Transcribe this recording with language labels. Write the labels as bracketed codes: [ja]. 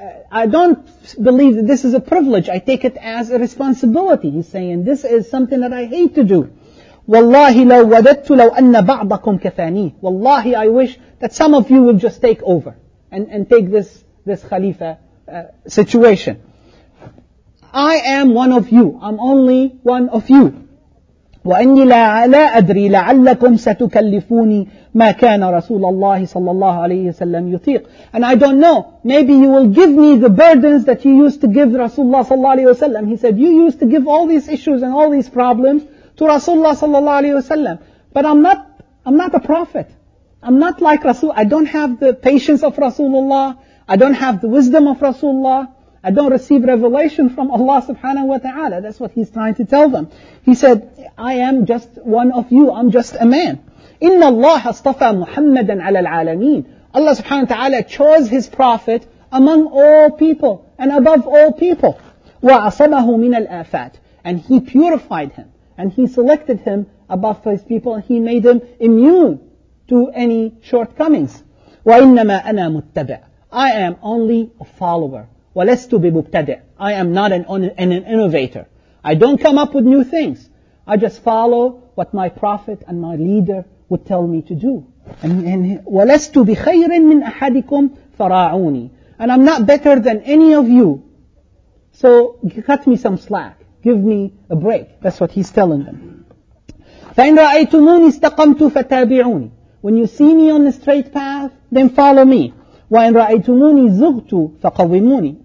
[en] I don't believe that this is a privilege. I take it as a responsibility. He's saying, this is something that I hate to do. [ar] والله لو وددت لو أن بعضكم كفاني. [en] والله I wish that some of you will just take over and take this Khalifa situation. I am one of you. I'm only one of you. [ar] وإني لا أدري لعلكم ستكلفوني ما كان رسول الله صلى الله عليه وسلم يثيق. [en] And I don't know, maybe you will give me the burdens that you used to give Rasulullah صلى الله عليه وسلم. He said, you used to give all these issues and all these problems to Rasulullah صلى الله عليه وسلم. But I'm not a prophet. I'm not like Rasul. I don't have the patience of Rasulullah. I don't have the wisdom of Rasulullah. I don't receive revelation from Allah subhanahu wa ta'ala. That's what he's trying to tell them. He said, I am just one of you. I'm just a man. [ar] إِنَّ اللَّهَ اصْطَفَى مُحَمَّدًا عَلَى الْعَالَمِينَ. [en] Allah subhanahu wa ta'ala chose his prophet among all people and above all people. [ar] وَعَصَمَهُ مِنَ الْآفَاتِ. [en] And he purified him. And he selected him above his people. And he made him immune to any shortcomings. [ar] وَإِنَّمَا أَنَا مُتَّبِعٌ. [en] I am only a follower. [ar] وَلَسْتُ بِمُبْتَدِعٍ. [en] I am not an innovator. I don't come up with new things. I just follow what my prophet and my leader would tell me to do. And [ar] وَلَسْتُ بِخَيْرٍ مِّنْ أَحَدِكُمْ فَرَاعُونِي. [en] And I'm not better than any of you. So cut me some slack. Give me a break. That's what he's telling them. [ar] فَإِنْ رَأَيْتُمُونِ اسْتَقَمْتُ فَتَابِعُونِي. [en] When you see me on the straight path, then follow me. [ar] وَإِنْ رَأَيْتُمُونِي زُغْتُ فَقَوِّمُونِي.